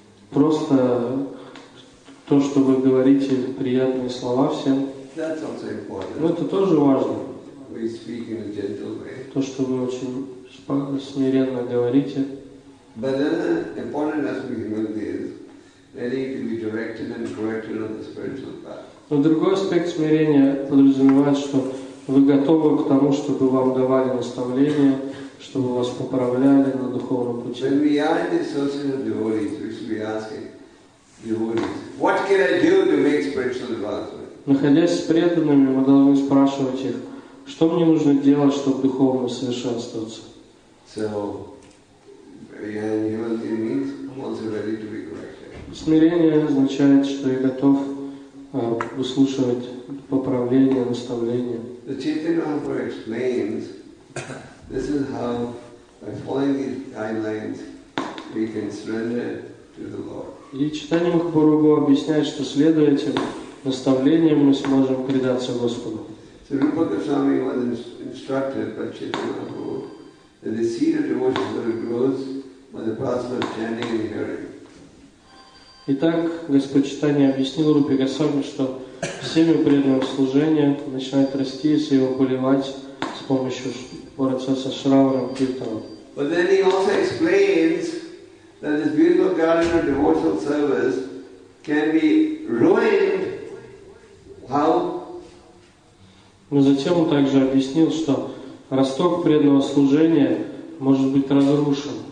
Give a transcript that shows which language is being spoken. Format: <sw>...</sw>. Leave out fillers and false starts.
<ru>Просто то, что вы говорите приятные слова всем.</ru> <en>That's also important.</en> <ru>Но это тоже важно.</ru> <en>We speak in a gentle way.</en> <ru>То, что вы очень смиренно говорите.</ru> <en>But then the important aspect of humility is ready to be directed and corrected on the spiritual path.</en> <ru>Но другой аспект смирения подразумевает, что вы готовы к тому, чтобы вам давали наставления, чтобы вас поправляли на духовном пути.</ru> <en>When we are in the association of devotees, we should be asking devotees, what can I do to make spiritual advancement?</en> <ru>Находясь с преданными, мы должны спрашивать их, что мне нужно делать, чтобы духовно совершенствоваться.</ru> <en>So, humility means I'm also ready to be corrected.</en> <ru>Смирение означает, что я готов выслушивать поправления, наставления.</ru> <en>The Chaitanya Mahaprabhu explains, this is how, by following these guidelines, we can surrender to the Lord.</en> <ru>И Чайтанья Махапрабху объясняет, что следуя этим наставлениям, мы сможем предаться Господу.</ru> <en>So Rupa Goswami was instructed by Chaitanya Mahaprabhu that the seed of devotion sort of grows by the process of chanting and hearing.</en> <ru>Итак, Господь Чайтанья объяснил Рупе Госвами, что семя преданного служения начинает расти, если его поливать с помощью процесса шравана киртана.</ru> <en>But then he also explains that this beautiful garden of devotional service can be ruined. How?</en> <ru>Но затем он также объяснил, что росток преданного служения может быть разрушен.</ru>